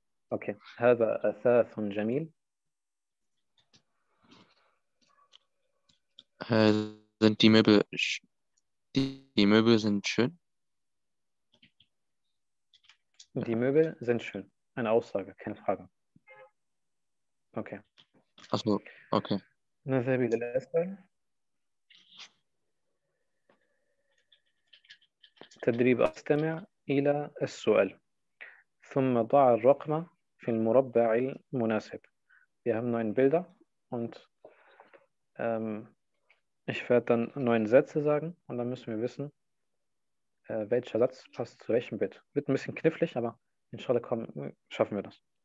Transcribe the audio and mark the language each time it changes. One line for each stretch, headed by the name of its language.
Arabic: Okay, هذا أثاث جميل.
German: Sind die Möbel sch die Möbel sind schön? Die Möbel sind schön. Eine Aussage, keine Frage. Okay. Ach so, okay. Na sehr viele Leistungen.
Arabic: تدريب استمع الى السؤال ثم ضع الرقم في المربع المناسب.
German: Wir haben 9 Bilder und ich werde dann 9 Sätze sagen und dann müssen wir wissen, welcher Satz passt zu welchem Bild. Wird ein bisschen knifflig, aber inshallah kommen, schaffen wir das.